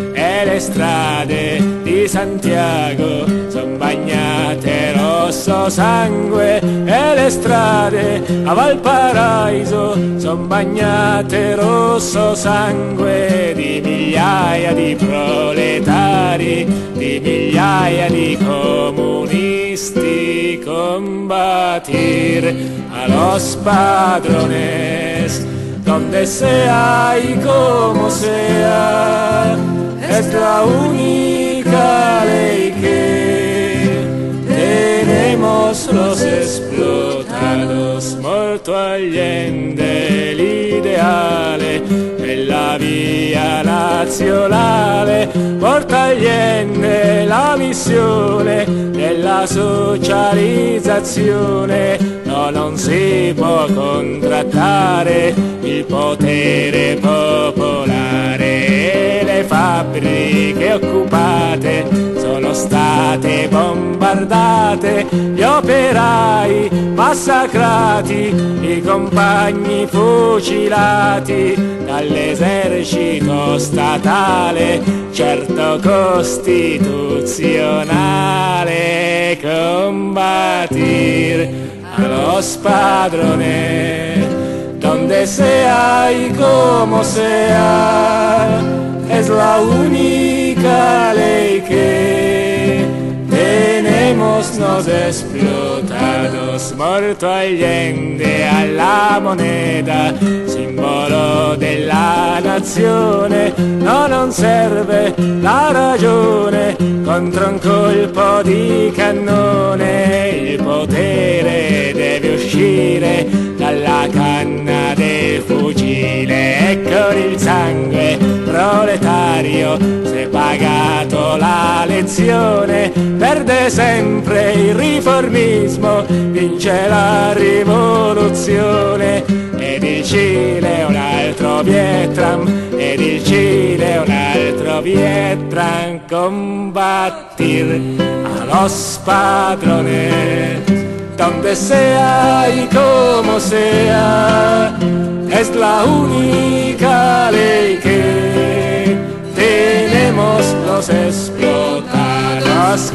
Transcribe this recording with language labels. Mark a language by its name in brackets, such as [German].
[Italian] E le strade di Santiago son bagnate rosso sangue, e le strade a Valparaiso son bagnate rosso sangue di migliaia di proletari, di migliaia di comunisti. [Spanish] Combatir a los padrones, donde sea y como sea, es la única ley que tenemos los explotados. [Italian] Morto Allende, el ideale en la vía nazionale, Morto Allende, la misione della socializzazione. No, non si può contrattare il potere popolare. Le fabbriche occupate sono state bombardate, gli operai massacrati, i compagni fucilati dall'esercito statale, certo costituzionale. [Spanish] Combatir a los padrones, donde sea y como sea, es la única ley que tenemos los explotados. [Italian] Morto Allende alla moneda, simbolo della nazione, no, non serve la ragione, contro un colpo di cannone il potere deve uscire dalla canna del fucile. E con il sangue proletario si è pagato la lezione, perde sempre il riformismo, vince la rivoluzione. Ed il Cile è un altro Vietnam, ed il Cile è un altro Vietnam. [Spanish] Combattir a los padrones, donde sea y como sea, es la única ley que tenemos los explotados.